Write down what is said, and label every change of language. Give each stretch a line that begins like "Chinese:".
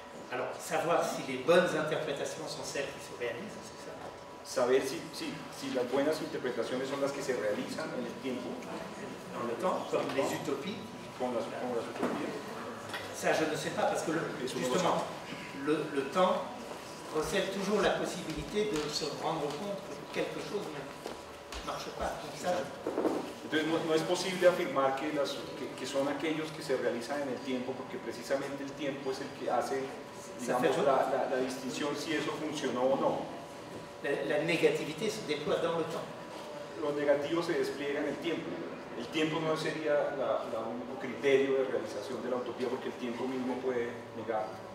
French: Alors, savoir si les bonnes interprétations sont celles qui se réalisent, c'est ça?
Spanish: Saber si las buenas interpretaciones son las que se realizan en el tiempo.
French: En le temps, comme les utopies. Comme las utopies. Ça, je ne sais pas, parce que justement, le temps recèle toujours la possibilité de se rendre compte que quelque chose ne marche pas.
Spanish: Entonces no es posible afirmar que son aquellos que se realizan en el tiempo, porque precisamente el tiempo es el que hace, digamos, la distinción si eso funcionó o no. La negatividad se desplaza
French: dans le temps.
Spanish: Lo negativo se despliega en el tiempo. El tiempo no sería el único criterio de realización de la utopía, porque el tiempo mismo puede negar.